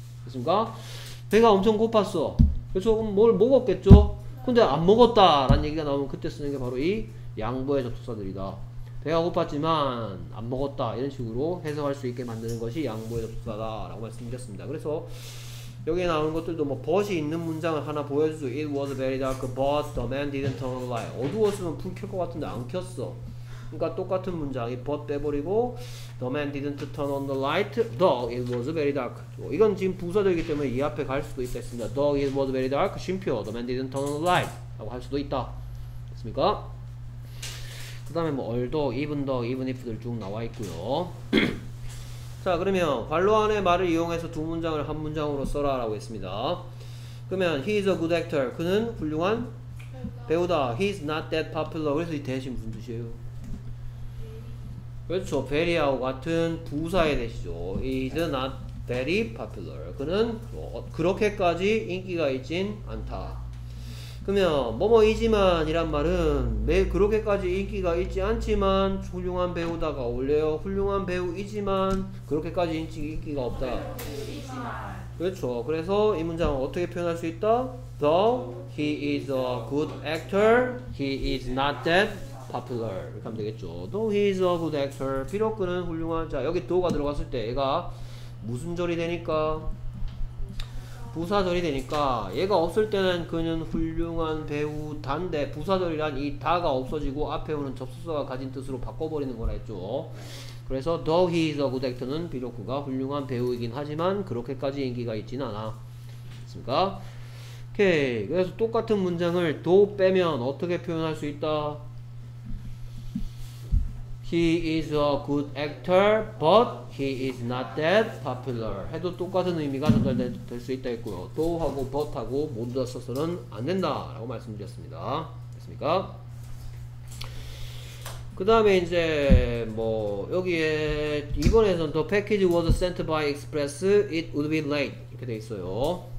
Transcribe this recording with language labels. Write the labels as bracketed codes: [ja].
[ko] 됐습니까? 배가 엄청 고팠어. 그렇죠? 그럼 뭘 먹었겠죠? 근데 안 먹었다 라는 얘기가 나오면 그때 쓰는 게 바로 이 양보의 접속사들이다. 배가 고팠지만 안 먹었다 이런 식으로 해석할 수 있게 만드는 것이 양보의 접속사다 라고 말씀드렸습니다. 그래서 여기에 나오는 것들도 뭐 but이 있는 문장을 하나 보여주죠. [en] It was very dark but the man didn't turn on the light. [ko] 어두웠으면 불 켤 것 같은데 안 켰어. 그러니까 똑같은 문장이 [en] but [ko] 빼버리고 [en] the man didn't turn on the light though it was very dark. [ko] 이건 지금 부사되기 때문에 이 앞에 갈 수도 있다 했습니다. [en] though it was very dark [ko] 쉼표 [en] the man didn't turn on the light [ko] 라고 할 수도 있다 됐습니까? 그 다음에 뭐 although, even though, even if 들 쭉 나와 있고요. 자 그러면 관로 안의 말을 이용해서 두 문장을 한 문장으로 써라 라고 했습니다. [en] 그러면 he is a good actor. [ko] 그는 훌륭한 배우다. [en] he is not that popular. [ko] 그래서 이 대신 무슨 뜻이에요? 그렇죠. very하고 같은 부사의 대시죠. [en] he is not very popular. [ko] 그는 그렇게까지 인기가 있진 않다. 그러면 뭐뭐이지만 이란 말은 매 그렇게까지 인기가 있지 않지만 훌륭한 배우다가 어울려요. 훌륭한 배우이지만 그렇게까지 인기가 없다. 그렇죠. 그래서 이 문장을 어떻게 표현할 수 있다? [en] Though he is a good actor, he is not that popular. [ko] 이렇게 하면 되겠죠. [en] Though he is a good actor, [ko] 비록 그는 훌륭한 자 여기 though가 들어갔을 때 얘가 무슨 절이 되니까 부사절이 되니까 얘가 없을 때는 그는 훌륭한 배우 단데 부사절이란 이 다가 없어지고 앞에 오는 접속사가 가진 뜻으로 바꿔버리는 거라 했죠. 그래서 [en] though he is a good actor [ko] 는 비록 그가 훌륭한 배우이긴 하지만 그렇게까지 인기가 있진 않아. 됐습니까? 오케이. 그래서 똑같은 문장을 though 빼면 어떻게 표현할 수 있다? [en] He is a good actor, but he is not that popular. [ko] 해도 똑같은 의미가 전달될 수 있다 했고요. though하고 but하고 모두 다 써서는 안 된다 라고 말씀드렸습니다. 됐습니까? 그 다음에 이제 뭐 여기에 이번에선 [en] the package was sent by express, it would be late. [ko] 이렇게 돼 있어요.